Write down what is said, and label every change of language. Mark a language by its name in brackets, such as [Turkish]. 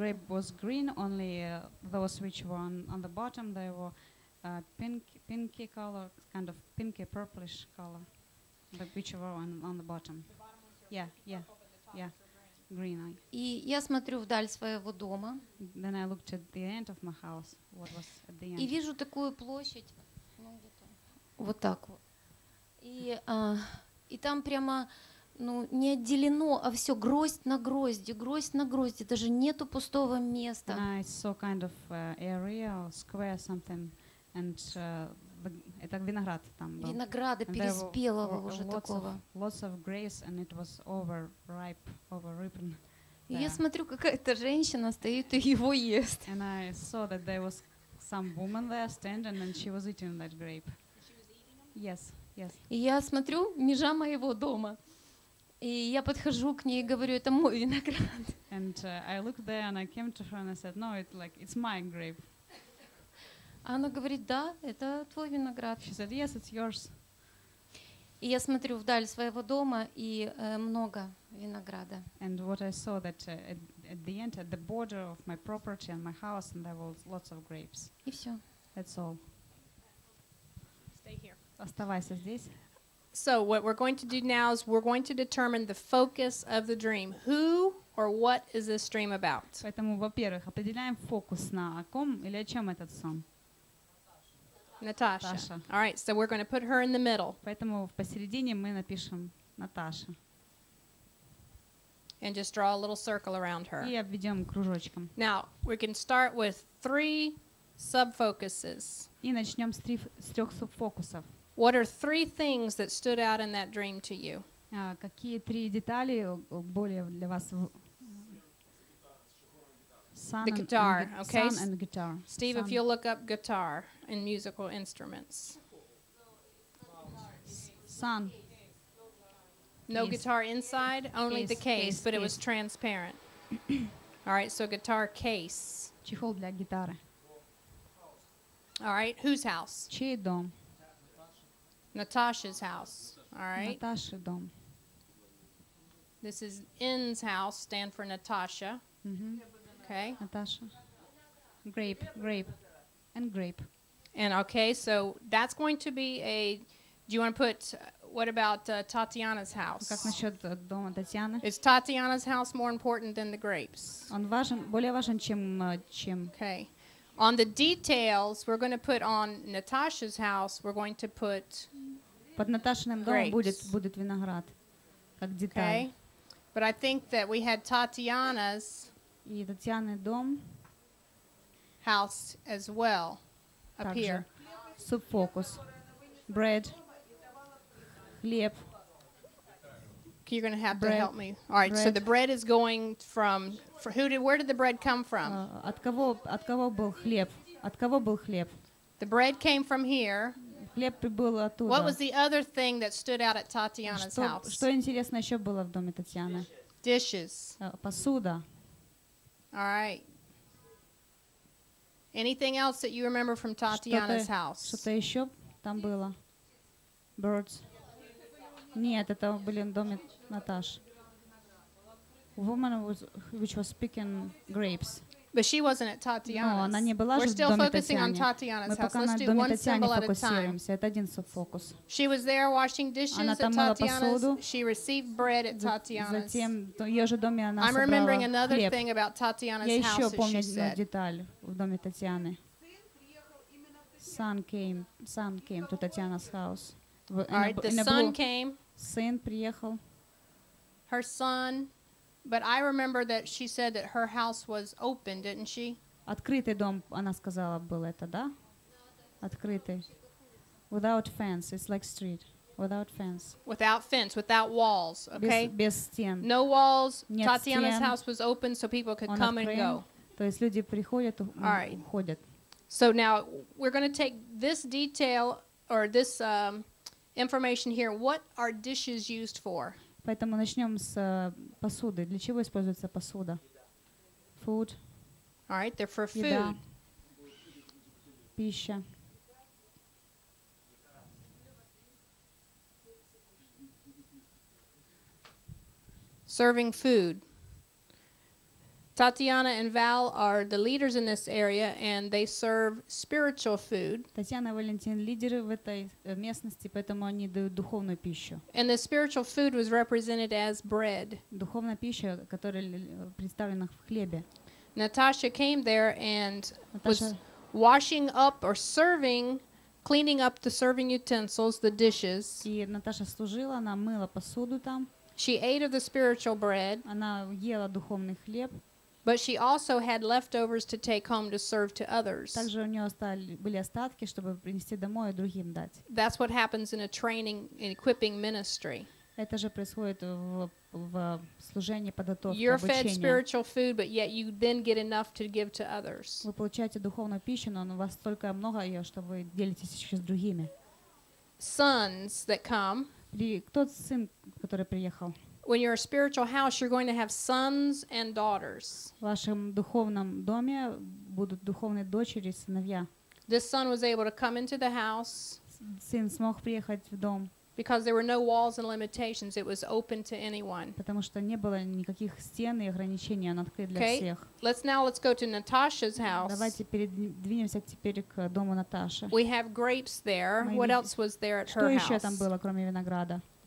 [English] The grape was green, only those which were on the bottom, they were pinky color, kind of pinky purplish color, the which were on the bottom. Yeah. Green eye. [Russian] И я смотрю вдаль своего дома. [English] Then I looked at the end of my house. What was at the end? [Russian] И вижу такую площадь, ну где-то, вот так вот. И там прямо, ну не отделено, а все гроздь на грозди. Даже нету пустого места. [English] And I saw kind of area or square something, and [Russian] это виноград там был. Винограда переспелого уже такого. [English] Lots of grapes, and it was overripe, overripen. [Russian] И я смотрю, какая-то женщина стоит и его ест. [English] And I saw that there was some woman there standing, and she was eating that grape. Yes. [Russian] И я смотрю, межа моего дома. И я подхожу к ней и говорю, это мой виноград. [English] And I looked there, and I came to her, and I said, no, it's my grape. [Russian] Она говорит, да, это твой виноград. [English] She said, yes, it's yours. [Russian] И я смотрю вдаль своего дома, и много винограда. [English] And what I saw that at the end, at the border of my property and my house, and there were lots of grapes. [Russian] И все. [English] That's all. Stay here. [Russian] Оставайся здесь. [English] So what we're going to do now is we're going to determine the focus of the dream. Who or what is this dream about? [Russian] Поэтому, во-первых, определяем фокус на о ком или о чем этот сон. [English] Natasha. All right, so we're going to put her in the middle. [Russian] Поэтому посередине мы напишем Наташа. [English] And just draw a little circle around her. [Russian] И обведем кружочком. [English] Now, we can start with three subfocuses. [Russian] И начнем с трех субфокусов. [English] What are three things that stood out in that dream to you? [Russian] Какие три детали более для вас? [English] The guitar, okay? Sun and guitar. Steve, sun. If you'll look up guitar in musical instruments. Sun. No guitar inside, only the case, but it was transparent. All right, so guitar case. [Russian] Чехол для гитары. [English] All right, whose house? [Russian] Чей дом? [English] Natasha's house, all right? [Russian] Наташа дом. [English] This is N's house, stand for Natasha. Mm-hmm. Okay. Natasha. Grape. And grape. And okay, so that's going to be a... Do you want to put... what about Tatiana's house? [Russian] Как насчет дома Татьяны? [English] Is Tatiana's house more important than the grapes? [Russian] Он важен, более важен, чем... [English] Okay. On the details, we're going to put on Natasha's house, we're going to put... [Russian] Под Наташиным домом будет виноград. Как деталь. Okay. [English] But I think that we had Tatiana's... [Russian] И Татьяны дом. [English] House as well. [Russian] Также [English] up here. [Russian] Субфокус. Bread. Хлеб. [English] You're going to have bread. To help me. All right, bread. So the bread is going from... where did the bread come from? [Russian] От кого был хлеб? От кого был хлеб? [English] The bread came from here. [Russian] Хлеб прибыл оттуда. [English] What was the other thing that stood out at Tatiana's [Russian] что, [English] house? [Russian] Что интересно еще было в доме Татьяны? [English] Dishes. [Russian] Посуда. [English] All right. Anything else that you remember from Tatiana's house? [Russian] Что-то еще там было. [English] Birds. [Russian] Нет, это были в доме Наташ. [English] Woman which was picking grapes. But she wasn't at Татьяна's. No, we're still focusing on Татьяна's house. Let's do one symbol at a time. [Russian] Это один субфокус. [English] She was there washing dishes at Татьяна's. She received bread at Татьяна's. [Russian] Затем в её же доме она [English] I'm remembering another thing about Татьяна's house. [Russian] Я ещё помню одну деталь в доме Татьяны. [English] Son came to Татьяна's house. [Russian] Сын приехал. [English] Her son. But I remember that she said that her house was open, didn't she? [Russian] Открытый дом, она сказала, был это, да? [English] Открытый. Without fence, it's like street. Without walls, okay? [Russian] Без стен. [English] No walls. Татьяна's house was open so people could come and go. [Russian] То есть люди приходят, уходят. [English] So now we're going to take this detail or this information here. What are dishes used for? [Russian] Поэтому начнём с посуды. Для чего используется посуда? [English] Food. All right, they're for food. [Russian] Еда. Пища. [English] Serving food. Татьяна and Val are the leaders in this area and they serve spiritual food. [Russian] Татьяна и Валентин лидеры в этой местности, поэтому они дают духовную пищу. [English] And the spiritual food was represented as bread. [Russian] Духовная пища, которая представлена в хлебе. [English] Natasha came there and was washing up or serving, cleaning up the serving utensils, the dishes. [Russian] И Наташа служила, она мыла посуду там. [English] She ate of the spiritual bread. [Russian] Она ела духовный хлеб. [English] But she also had leftovers to take home to serve to others. [Russian] Также у неё были остатки, чтобы принести домой и другим дать. [English] That's what happens in a training and equipping ministry. [Russian] Это же происходит в служении подготовки. [English] You're fed spiritual food, but yet you then get enough to give to others. [Russian] Вы получаете духовную пищу, но у вас столько много её, что вы делитесь ещё с другими. [English] Sons that come. [Russian] Тот сын, который приехал. [English] When you're a spiritual house, you're going to have sons and daughters. [Russian] В вашем духовном доме будут духовные дочери и сыновья. [English] This son was able to come into the house. [Russian] Сын смог приехать в дом. [English] Because there were no walls and limitations, it was open to anyone. [Russian] Потому что не было никаких стен и ограничений, он открыт для всех. [English] Okay. Let's go to Natasha's house. [Russian] Давайте передвинемся теперь к дому Наташи. [English] We have grapes there. What else was there at her house? [Russian] Что ещё там было, кроме винограда?